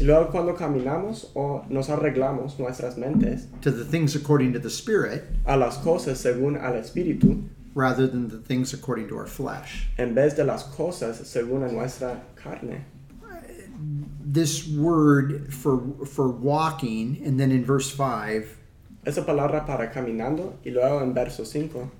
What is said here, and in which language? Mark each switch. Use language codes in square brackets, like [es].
[es] Y luego cuando caminamos o nos arreglamos nuestras mentes. [en] To the things according to the Spirit. [es] A las cosas según al Espíritu. [en] Rather than the things according to our flesh. [es] En vez de las cosas según nuestra carne. [en] This word for walking, and then in verse 5. [es] Esa palabra para caminando y luego en verso 5.